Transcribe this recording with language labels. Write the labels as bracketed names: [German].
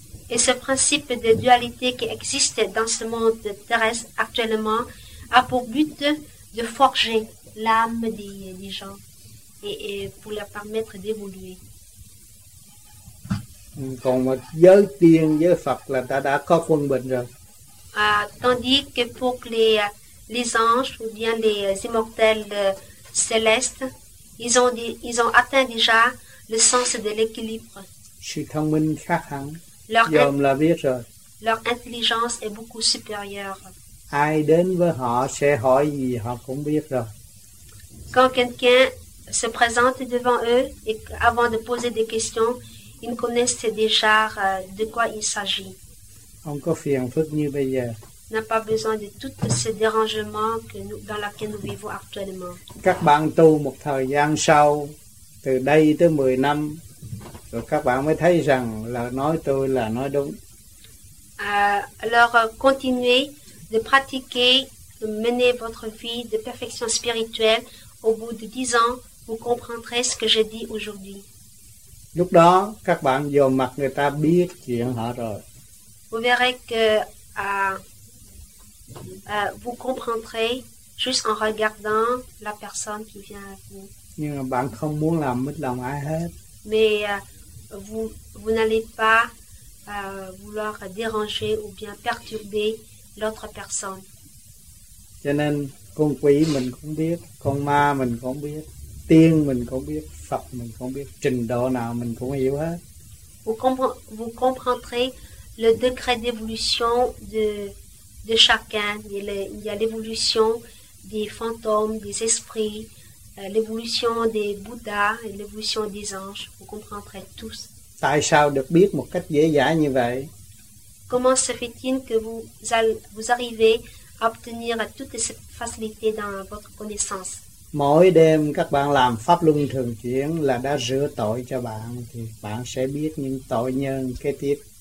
[French] Et ce principe de dualité qui existe dans ce monde terrestre actuellement a pour but de forger l'âme des gens. Et pour leur permettre d'évoluer. [Vietnamese] Còn giới tiên giới Phật là ta đã có quân bình rồi. [French] Tandis que pour les anges ou bien les immortels célestes, ils ont atteint déjà le sens de l'équilibre. [Vietnamese] Sự thông minh khác hẳn. Giờ là biết rồi. [French] Leur intelligence est beaucoup supérieure. [Vietnamese] Ai đến với họ sẽ hỏi gì họ cũng biết rồi. [French] Quand quelqu'un se présentent devant eux et avant de poser des questions, ils connaissent déjà de quoi il s'agit. N'a pas besoin de tout ce dérangement dans lequel nous vivons actuellement. [Vietnamese] Các bạn tu một thời gian sau, từ đây tới 10 năm, rồi các bạn mới thấy rằng là nói tôi là nói đúng. [French] Alors continuez de pratiquer, de mener votre vie de perfection spirituelle, au bout de 10 ans, vous comprendrez ce que je dis aujourd'hui. [Vietnamese] Lúc đó, các bạn vô mặt người ta biết chuyện họ rồi. [French] Vous verrez que vous comprendrez juste en regardant la personne qui vient à vous. [Vietnamese] Nhưng mà bạn không muốn làm mất lòng ai hết. [French] Mais vous n'allez pas vouloir déranger ou bien perturber l'autre personne. [Vietnamese] Cho nên con quỷ mình cũng biết, con ma mình cũng biết, tiên mình cũng biết, Phật mình cũng biết, trình độ nào mình cũng hiểu hết. [French] Vous comprendrez le degré d'évolution de chacun. Il y a l'évolution des fantômes, des esprits, l'évolution des Bouddhas, l'évolution des anges. Vous comprendrez tous. [Vietnamese] Tại sao được biết một cách dễ dàng như vậy? [French] Comment se fait-il que vous arrivez à obtenir toutes ces facilités dans votre connaissance? [Vietnamese] Mỗi đêm các bạn làm pháp luân thường chuyển là đã rửa tội cho bạn, thì bạn sẽ biết những tội nhân kế tiếp.